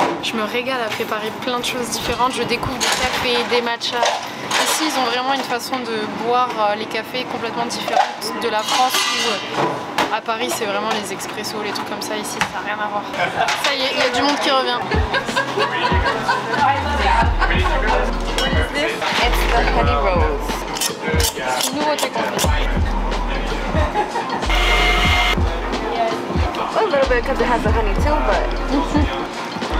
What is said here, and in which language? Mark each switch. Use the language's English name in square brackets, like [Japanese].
[French] Je me régale à préparer plein de choses différentes. Je découvre des cafés, des matchas. Ici, ils ont vraiment une façon de boire les cafés complètement différente de la France où à Paris, c'est vraiment les expressos, les trucs comme ça. Ici, ça n'a rien à voir. Ça y est, il y a du monde qui revient. [English] What is this? It's the honey rose. [French] C'est une nouveauté qu'on fait. [English] A little bit because it has the honey too, but.